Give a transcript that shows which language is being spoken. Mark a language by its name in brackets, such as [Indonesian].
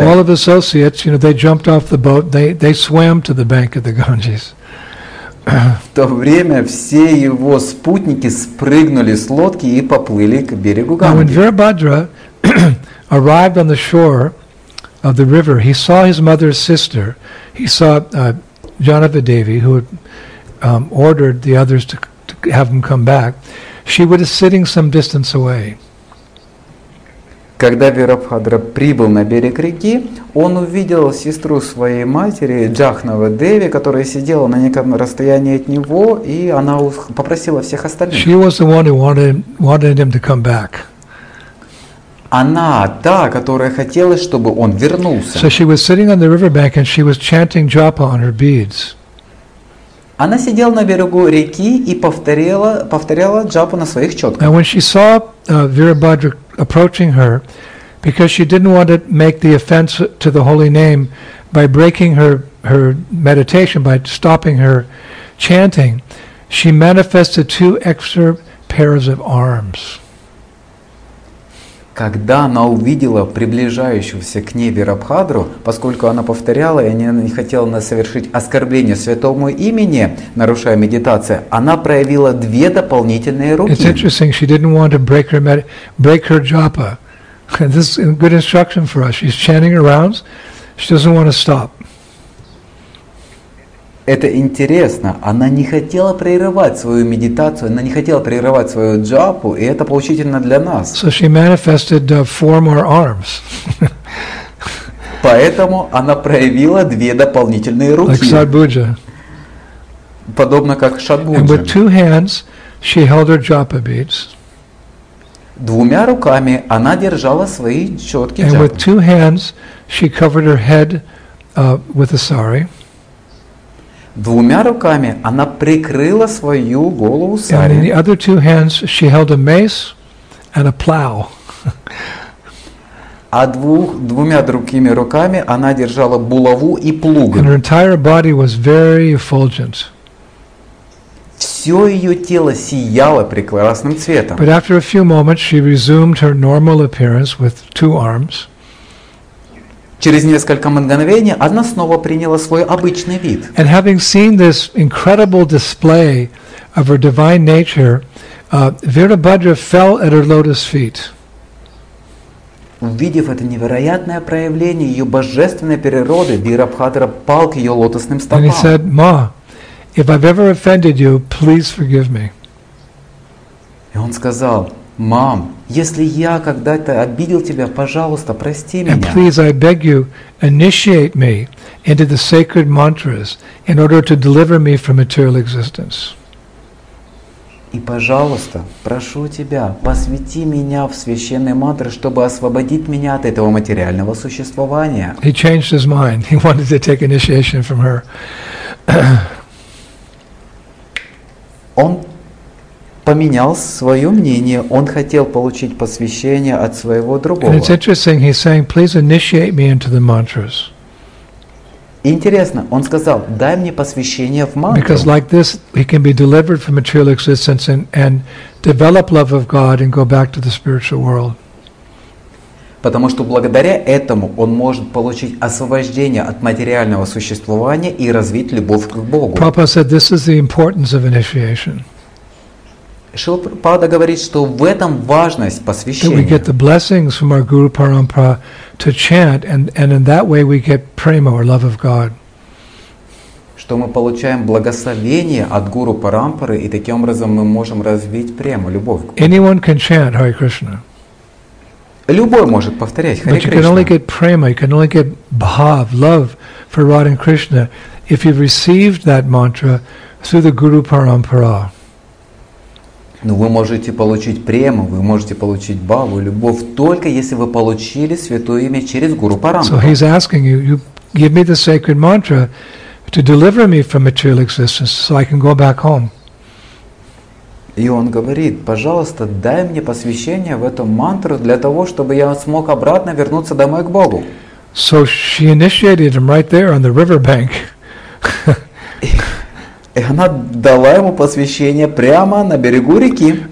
[English] So all of his associates, you know, they jumped off the boat, they swam to the bank of the Ganges. [Russian] В то время все его спутники спрыгнули с лодки и поплыли к берегу Ганги. [English] Now, when Virabhadra arrived on the shore of the river, he saw his mother's sister. He saw Janavadevi, who had ordered the others to have him come back. She was sitting some distance away. [Russian] Когда Вирабхадра прибыл на берег реки, он увидел сестру своей матери, Джахнавадеви, которая сидела на неком расстоянии от него, и она попросила всех остальных. [English] She was the one who wanted him to come back. [Russian] Она та, которая хотела, чтобы он вернулся. [English] So she was sitting on the riverbank and she was chanting japa on her beads. [Russian] Она сидела на берегу реки и повторяла джапу на своих четках. [English] And when she saw Virabhadra approaching her, because she didn't want to make the offense to the holy name by breaking her meditation, by stopping her chanting, she manifested two extra pairs of arms. [Russian] Когда она увидела приближающуюся к ней Вирабхадру, поскольку она повторяла и не хотела совершить оскорбление святому имени, нарушая медитацию, она проявила две дополнительные руки. [English] It's interesting, she didn't want to break her japa. This is good instruction for us. She's chanting around, she doesn't want to stop. [Russian] Это интересно. Она не хотела прерывать свою медитацию, она не хотела прерывать свою джапу, и это поучительно для нас. [English] So she manifested four more arms. [Russian] Поэтому она проявила две дополнительные руки. [English] Like Шадбуджа. [Russian] Подобно как Шадбуджа. [English] And with two hands, she held her japa beads. [Russian] Двумя руками она держала свои четки джапы. [English] And with two hands, she covered her head with a сари. [Russian] Двумя руками она прикрыла свою голову сари. [English] And in the other two hands she held a mace and a plow. [Russian] А двумя другими руками она держала булаву и плуг. [English] And her entire body was very effulgent. [Russian] Все ее тело сияло прекрасным цветом. [English] But after a few moments she resumed her normal appearance with two arms. [Russian] Через несколько мгновений она снова приняла свой обычный вид. [English] And having seen this incredible display of her divine nature, Virabhadra fell at her lotus feet. [Russian] Увидев это невероятное проявление ее божественной природы, Вирабхадра пал к ее лотосным стопам. [English] And he said, Ma, if I've ever offended you, please forgive me. [Russian] И он сказал, Мам, если я когда-то обидел тебя, пожалуйста, прости меня. [English] And please, I beg you, initiate me into the sacred mantras in order to deliver me from material existence. [Russian] И пожалуйста, прошу тебя, посвяти меня в священные мантры, чтобы освободить меня от этого материального существования. [English] He changed his mind. He wanted to take initiation from her. [Russian] Он поменял свое мнение, он хотел получить посвящение от своего другого. [English] And it's interesting, he's saying, please initiate me into the mantras. [Russian] Интересно, он сказал, дай мне посвящение в мантру. [English] Because like this, he can be delivered from material existence and develop love of God and go back to the spiritual world. [Russian] Потому что благодаря этому он может получить освобождение от материального существования и развить любовь к Богу. [English] Prabhupada said, this is the importance of initiation. [Russian] Шрила Прабхупада говорит, что в этом важность посвящения. [English] We get the blessings from our Guru Parampara to chant, and in that way we get prema, or love of God. [Russian] Что мы получаем благословение от Гуру Парампары, и таким образом мы можем развить прему, любовь к Богу. [English] Anyone can chant Hare Krishna. [Russian] Любой может повторять Харе Кришна. [English] But you can only get prema, you can only get bhav, love for Radha and Krishna, if you've received that mantra through the Guru Parampara. [Russian] Но вы можете получить прему, вы можете получить бхаву, любовь, только если вы получили святое имя через Гуру Парампару. [English] So he's asking you, you give me the sacred mantra to deliver me from material existence so I can go back home. [Russian] И он говорит, пожалуйста, дай мне посвящение в эту мантру для того, чтобы я смог обратно вернуться домой к Богу. [English] So she initiated him right there on the riverbank. [Russian] И она дала ему посвящение прямо на берегу реки.